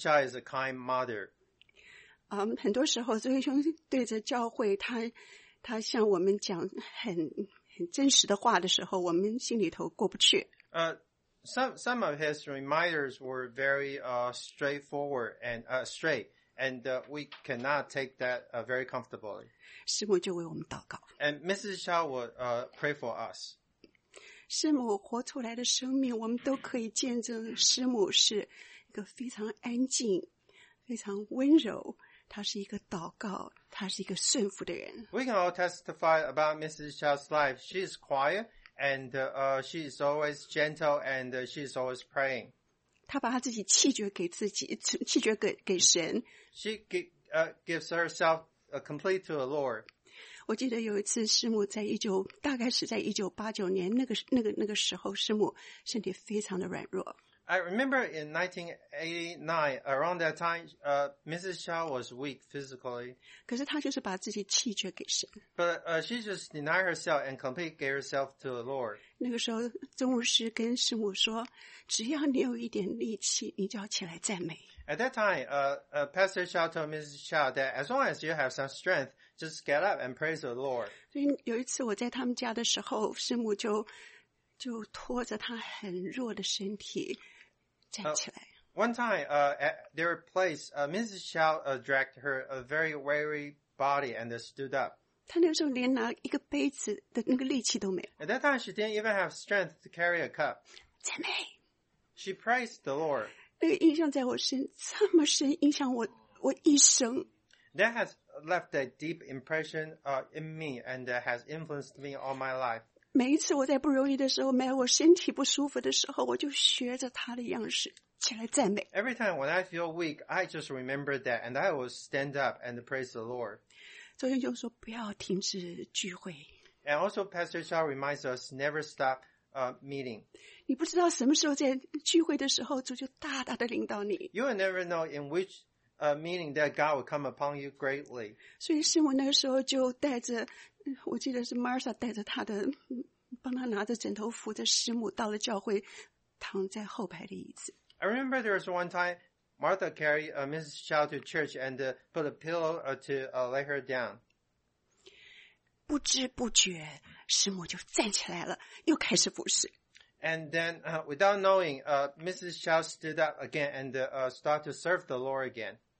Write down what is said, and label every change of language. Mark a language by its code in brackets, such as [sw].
[en] Chow is a kind mother. [zh] 很多时候周弟兄对着教会，他向我们讲很真实的话的时候，我们心里头过不去。 [en] Some of his reminders were very straightforward and straight, and we cannot take that very comfortably. [zh] 师母就为我们祷告。 [en] And Mrs. Chow would pray for us. [zh] 师母活出来的生命，我们都可以见证师母是一个非常安静，非常温柔。他是一个祷告，他是一个顺服的人。 [en] We can all testify about Mrs. Chow's life. She is quiet, and she is always gentle, and she is always praying. [zh] 他把他自己弃绝给自己，弃绝给神。 [en] She gives herself complete to the Lord. [zh] 我记得有一次，师母在1989年那个时候，师母身体非常的软弱。 [en] I remember in 1989, around that time, Mrs. Chow was weak physically. [zh] 可是她就是把自己弃绝给神。 [en] But she just denied herself and completely gave herself to the Lord. [zh] 那个时候，宗牧师跟师母说，只要你有一点力气，你就要起来赞美。 [en] At that time, Pastor Chow told Mrs. Chow that as long as you have some strength, just get up and praise the Lord. [zh] 所以有一次我在他们家的时候，师母就拖着他很弱的身体站起来。 [en] One time, at their place, Mrs. Chow dragged her a very weary body and stood up. [zh] 他那个时候连拿一个杯子的那个力气都没有。 [en] At that time, she didn't even have strength to carry a cup. [zh] 赞美。 [en] She praised the Lord. [zh] 那个印象在我身这么深，影响我一生。 [en] That has left a deep impression in me and has influenced me all my life. [zh] 每一次我在不容易的时候，没有我身体不舒服的时候，我就学着他的样式起来赞美。 [en] Every time when I feel weak, I just remember that, and I will stand up and praise the Lord. [zh] 周兄就说不要停止聚会。 [en] And also, Pastor Chow reminds us never stop meeting. [zh] 你不知道什么时候在聚会的时候，主就大大的领导你。 [en] You will never know in which meaning that God would come upon you greatly. [zh] 所以师母那个时候就带着，我记得是 Martha 带着她的，帮她拿着枕头扶着师母到了教会，躺在后排的椅子。 [en] I remember there was one time Martha carried Mrs. Chow to church and put a pillow to lay her down. [zh] 不知不觉，师母就站起来了，又开始服侍。 [en] And then, without knowing, Mrs. Chow stood up again and started to serve the Lord again.